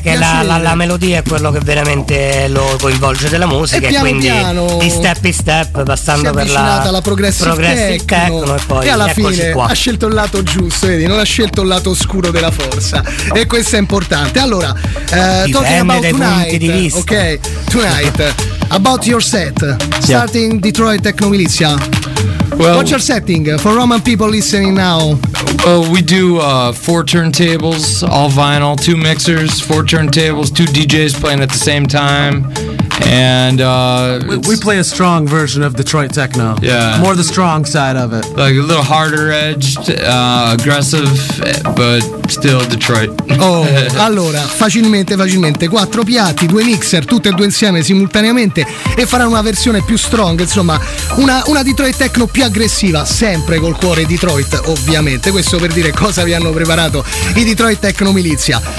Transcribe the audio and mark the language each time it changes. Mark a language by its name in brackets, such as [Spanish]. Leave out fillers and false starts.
[Italian] Che la melodia è quello che veramente lo coinvolge della musica. E quindi piano, di step, passando per la progressive techno, e poi, e alla fine qua, ha scelto il lato giusto, vedi? Non ha scelto il lato oscuro della forza, e questo è importante. [English] Allora, talking about tonight, okay, tonight, about your set, starting, yeah, Detroit Techno Militia. Well, what's your setting for Roman people listening now? Well, we do 4 turntables, all vinyl, 2 mixers, 4 turntables, 2 DJs playing at the same time. And we play a strong version of Detroit techno. Yeah, more the strong side of it. Like a little harder edged, aggressive, but still Detroit. [Italian] Oh, allora, facilmente, 4 piatti, 2 mixer, tutte e 2 insieme simultaneamente, e farà una versione più strong, insomma, una Detroit techno più aggressiva, sempre col cuore Detroit, ovviamente. Questo per dire cosa vi hanno preparato i Detroit Techno Militia.